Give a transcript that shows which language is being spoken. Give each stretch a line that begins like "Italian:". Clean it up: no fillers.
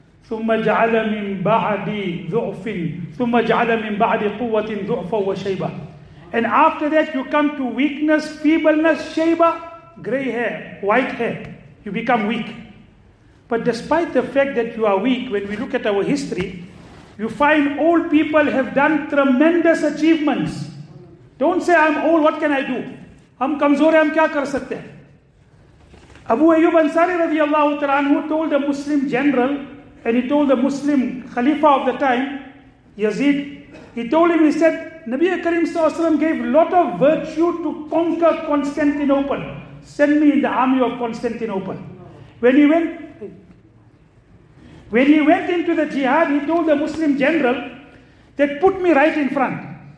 Arabic: ثُمَّ جَعَلَ مِن بَعْدِ ذُعْفٍ ثُمَّ جَعَلَ مِن بَعْدِ قُوَّةٍ ذُعْفَ وَشَيْبَ
English: And after that you come to weakness, feebleness, shayba, grey hair, white hair. You become weak. But despite the fact that you are weak, when we look at our history, you find old people have done tremendous achievements. Don't say, I'm old, what can I do?
Urdu: ہم کمزور ہیں, ہم کیا کر سکتے ہیں?
English: Abu Ayyub Ansari رضی اللہ تعالیٰ عنہ told the Muslim general, and he told the Muslim Khalifa of the time, Yazid, he told him, he said, Nabi Karim Sallallahu Alaihi Wasallam gave a lot of virtue to conquer Constantinople. Send me in the army of Constantinople. When he went into the jihad, he told the Muslim general that put me right in front.